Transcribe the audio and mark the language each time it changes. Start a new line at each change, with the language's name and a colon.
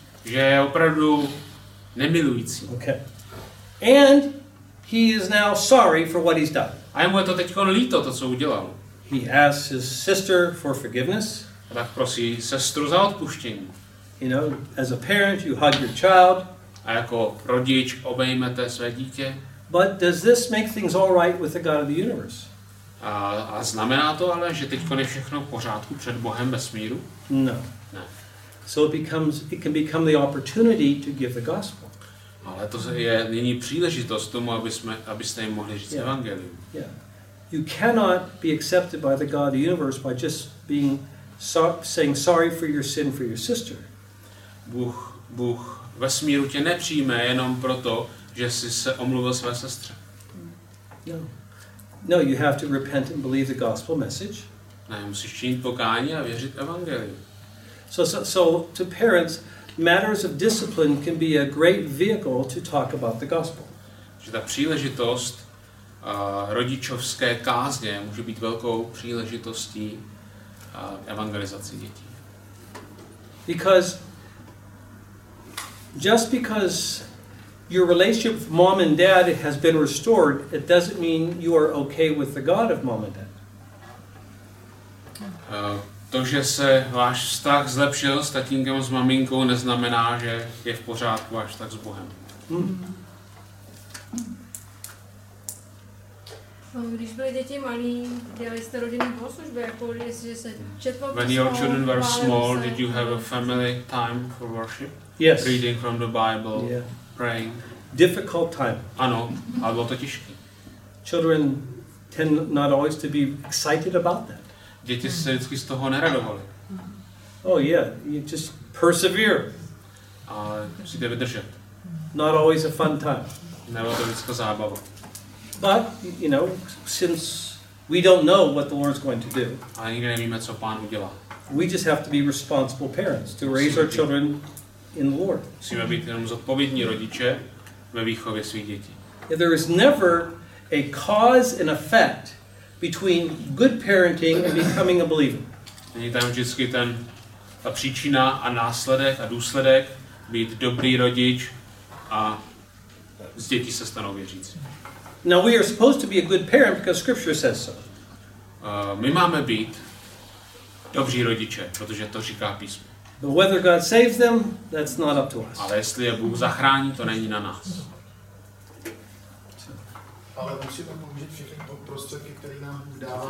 Czech: Že je opravdu nemilující.
English: Okay. And he is now sorry for what he's done.
Czech: A jemu je to teďko líto, to co udělal.
English: He asks his sister for forgiveness.
Czech: A tak prosí sestru za odpuštění.
English: You know, as a parent, you hug your child.
Czech: A jako rodič obejmete své dítě.
English: But does this make things all right with the God of the universe?
Czech: A znamená to ale, že teďko je všechno v pořádku před Bohem vesmíru?
English: No.
Czech: Ne.
English: So it can become the opportunity to give the gospel.
Czech: Ale to je nyní příležitost tomu, abyste jim mohli říct evangelium.
English: Yeah. You cannot be accepted by the God of the universe by just being saying sorry for your sin for your sister.
Czech: Bůh vesmíru tě nepřijme jenom proto, že jsi se omluvil své sestře.
English: No. No, you have to repent and believe the gospel message.
Czech: Ne, musíš činit pokání a věřit evangeliu.
English: So to parents, matters of discipline can be a great vehicle to talk about the gospel.
Czech: Že ta příležitost rodičovské kázně může být velkou příležitostí evangelizace dětí.
English: Because your relationship with mom and dad has been restored, it doesn't mean you are okay with the God of mom and dad.
Czech: To, že se váš vztah zlepšil s tatínkem s maminkou, neznamená, že je v pořádku až tak s Bohem. Když byli děti malí, dělali jste rodinné bohoslužby, jako jestliže se četlo písmo.
English: When your children were small, did you have a family time for worship? Yes. Reading from the Bible. Yeah. Praying. Difficult time.
Czech: Ano, ale bylo to těžké.
English: Children tend not always to be excited about that.
Czech: Děti se vždycky z toho neradovali.
English: Oh yeah, you just persevere.
Czech: A musíte vydržet.
English: Not always a fun time.
Czech: Nebylo to vždycky zábava.
English: But, you know, since we don't know what the Lord's going to do.
Czech: A nikdy nevíme, co Pán udělá.
English: We just have to be responsible parents to raise our children in the Lord.
Czech: Musíme být jenom zodpovědní rodiče ve výchově svých dětí.
English: There is never a cause and effect between good parenting and becoming a believer.
Czech: Není tam vždycky ten, ta příčina a následek a důsledek být dobrý rodič a z dětí se stanou věřící.
English: Now we are supposed to be a good parent because scripture says so.
Czech: My máme být dobří rodiče, protože to říká písmo.
English: But whether God saves them, that's not up to us.
Czech: Ale jestli je Bůh zachrání, to není na nás. Ale musíme použít všechny prostředky, které nám dává.